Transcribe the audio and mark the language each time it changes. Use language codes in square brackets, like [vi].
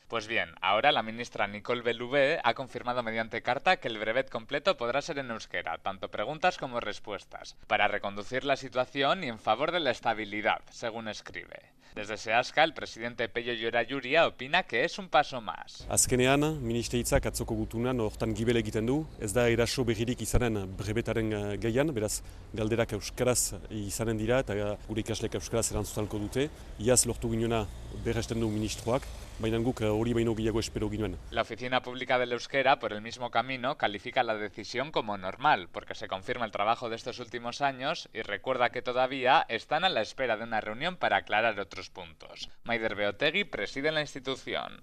[es] Pues bien, ahora la ministra Nicole Belloubet ha confirmado mediante carta que el brevet completo podrá ser en euskera, tanto preguntas como respuestas, para reconducir la situación y en favor de la estabilidad, según escribe. Desde SEASCA, el presidente Peio Llorallurria opina que es un paso más. [eu] Azkenean, ministeritzak atzoko gutunan hortan gibel egiten du, ez da eraso berririk izanen brebetaren gehian, beraz galderak euskaraz izanen dira eta gure ikaslek euskaraz erantzutalko dute. Iaz lortu ginoena berresten du ministroak, baina guk hori baino gehiago espero ginuen. [es] La Oficina Pública del Euskera, por el mismo camino, califica la decisión como normal, porque se confirma el trabajo de estos últimos años y recuerda que todavía están a la espera de una reunión para aclarar otros puntos. Maider Beotegui preside la institución.